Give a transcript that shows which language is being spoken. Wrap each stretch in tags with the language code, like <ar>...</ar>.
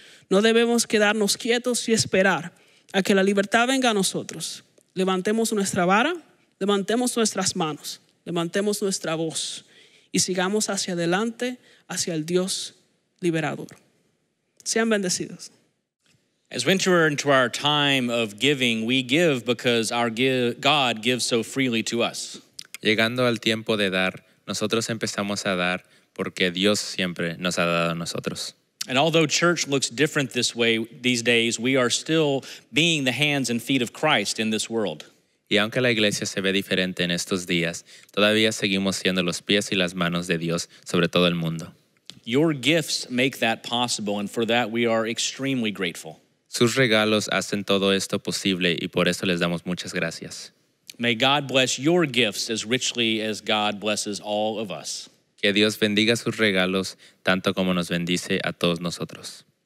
<es>No debemos quedarnos quietos y esperar a que la libertad venga a nosotros. Levantemos nuestra vara, levantemos nuestras manos, levantemos nuestra voz y sigamos hacia adelante, hacia el Dios liberador. Sean bendecidos.</es> <en>As we enter into our time of giving, we give because our God gives so freely to us.</en> <es>Llegando al tiempo de dar, nosotros empezamos a dar porque Dios siempre nos ha dado a nosotros.</es> <en>And although church looks different this way these days, we are still being the hands and feet of Christ in this world.</en> <es>Y aunque la iglesia se ve diferente en estos días, todavía seguimos siendo los pies y las manos de Dios sobre todo el mundo.</es> <en>Your gifts make that possible, and for that we are extremely grateful.</en> <es>Sus regalos hacen todo esto posible y por eso les damos muchas gracias.</es> <en>May God bless your gifts as richly as God blesses all of us.</en> <es>Que Dios bendiga sus regalos tanto como nos bendice a todos nosotros.</es>